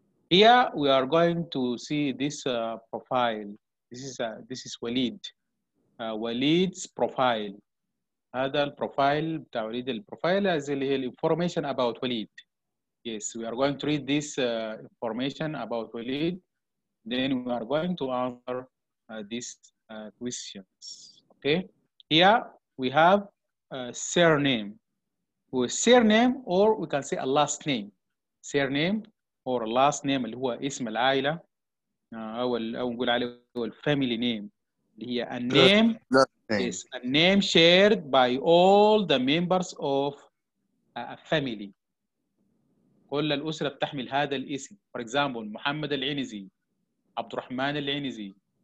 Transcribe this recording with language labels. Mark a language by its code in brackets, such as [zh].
[en] Here we are going to see this profile. This is Waleed. Waleed's profile. [ar] هذا البروفايل بتاع وليد. البروفايل اللي هي الانفورميشن اباوت وليد. [en] Yes, we are going to read this information about Waleed. Then we are going to answer these questions. Okay. Here we have a surname. With surname or we can say a last name. Surname or last name [ar] اللي هو اسم العائلة. أو نقول عليه family name. اللي هي [en] a name. Yes, a name shared by all the members of a family. [ar] كل الأسرة بتحمل هذا الاسم. [en] For example, [ar] محمد العنزي, عبد الرحمن العنزي.